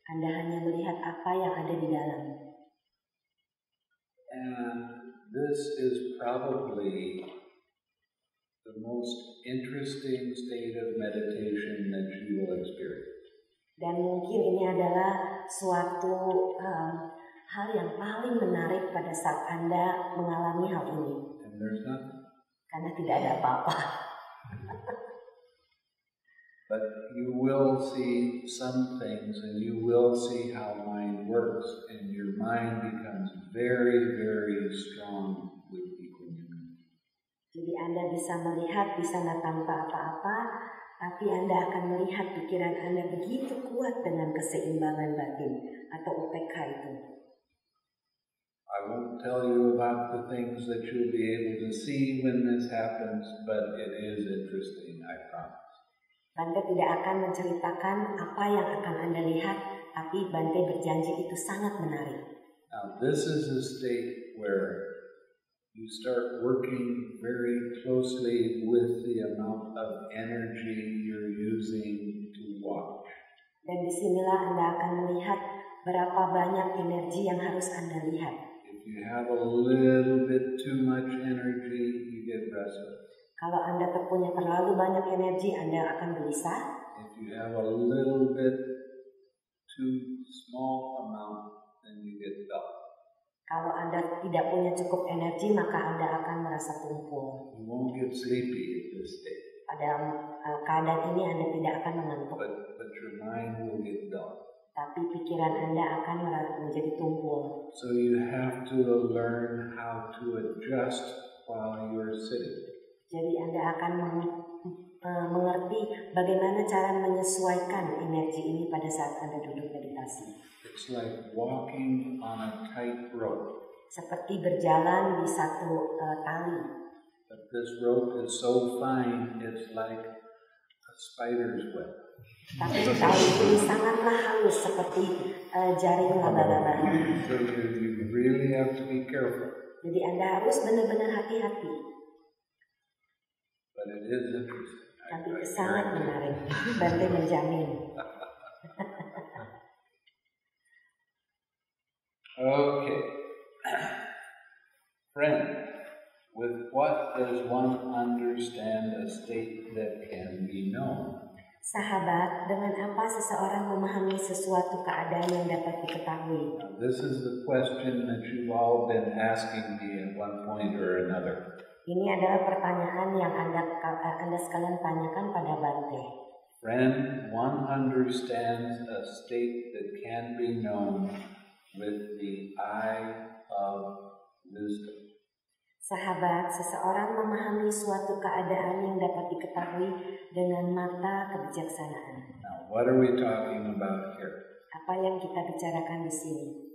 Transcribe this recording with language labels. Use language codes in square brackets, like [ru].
[id] Anda hanya melihat apa yang ada di dalam. [en] And this is probably the most interesting state of meditation that you will experience. [id] Dan mungkin ini adalah suatu hal yang paling menarik pada saat Anda mengalami hal ini? Karena tidak ada apa-apa. [en] But you will see some things, and you will see how mind works, and your mind becomes very, very strong with equanimity. [id] Jadi Anda bisa melihat di sana tanpa apa-apa, tapi Anda akan melihat pikiran Anda begitu kuat dengan keseimbangan batin atau UPK itu. [en] I won't tell you about the things that you'll be able to see when this happens, but it is interesting, I promise. [id] Bante tidak akan menceritakan apa yang akan Anda lihat, tapi Bante berjanji itu sangat menarik. [en] Now, this is a state where you start working very closely with the amount of energy you're using to watch. [id] Dan disinilah Anda akan melihat berapa banyak energi yang harus Anda lihat. [en] If you have a little bit too much energy, you get restless. [id] Kalau Anda punya terlalu banyak energi, Anda akan gelisah. [en] If you have a little bit too small amount, then you get dull. [id] Kalau Anda tidak punya cukup energi, maka Anda akan merasa tumpul. [en] You won't get sleepy at this state. [id] Pada keadaan ini, Anda tidak akan mengantuk. [en] But your mind will get dull. [id] Tapi pikiran Anda akan menjadi tumpul. [en] So you have to learn how to adjust while you're sitting. [id] Jadi Anda akan mengerti bagaimana cara menyesuaikan energi ini pada saat Anda duduk meditasi. [en] It's like walking on a tight rope. [id] Seperti berjalan di satu tali. [en] But this rope is so fine, it's like a spider's web. [id] Tapi tali ini sangatlah halus seperti jaring laba-laba. [en] So you really have to be careful. [id] Jadi Anda harus benar-benar hati-hati. [en] But it is interesting. [id] Tapi sangat menarik. Bante menjamin. [en] Okay. Friend, with what does one understand a state that can be known? [id] Sahabat, dengan apa seseorang memahami sesuatu keadaan yang dapat diketahui? [en] Now, this is the question that you've all been asking me at one point or another. [id] Ini adalah pertanyaan yang Anda sekalian tanyakan pada Bante. [en] Friend, one understands a state that can be known with the eye of wisdom. [id] Sahabat, seseorang memahami suatu keadaan yang dapat diketahui dengan mata kebijaksanaan. [en] Now, what are we talking about here? [id] Apa yang kita bicarakan di sini?